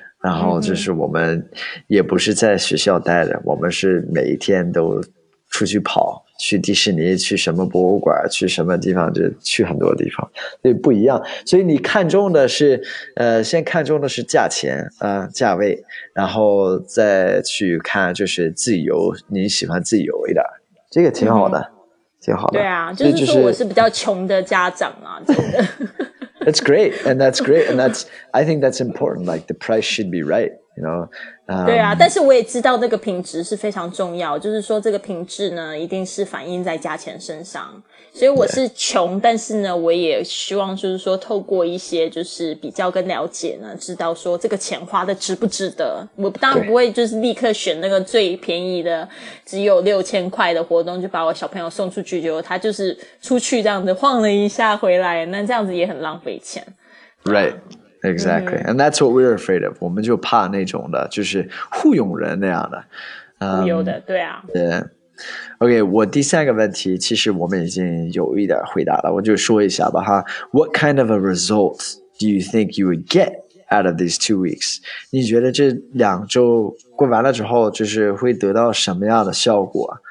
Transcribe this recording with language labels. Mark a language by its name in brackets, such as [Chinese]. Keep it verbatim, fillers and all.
[Chinese] 然后就是我们也不是在学校待着，我们是每一天都出去跑，去迪士尼，去什么博物馆，去什么地方，就去很多地方，所以不一样。所以你看中的是，呃，先看中的是价钱啊、呃，价位，然后再去看就是自由，你喜欢自由一点，这个挺好的，嗯、挺好的。对啊，就是说我是比较穷的家长啊，真的。 [English] That's great, and that's great, and that's. I think that's important. Like the price should be right, you know. Um, [Chinese] 对啊，但是我也知道那个品质是非常重要，就是说这个品质呢，一定是反映在价钱身上。所以我是穷， yeah. 但是呢，我也希望就是说，透过一些就是比较跟了解呢，知道说这个钱花的值不值得。我当然不会就是立刻选那个最便宜的，只有六千块的活动就把我小朋友送出去，就他就是出去这样子晃了一下回来，那这样子也很浪费钱。 [English] Right, exactly, and that's what we're afraid of. [Chinese] 我们就怕那种的，就是糊弄人那样的。忽悠的，对啊。对。 OK, 我第三个问题其实我们已经有一点回答了，我就说一下吧哈。 [English] What kind of a result do you think you would get out of these two weeks? [Chinese] 你觉得这两周过完了之后就是会得到什么样的效果？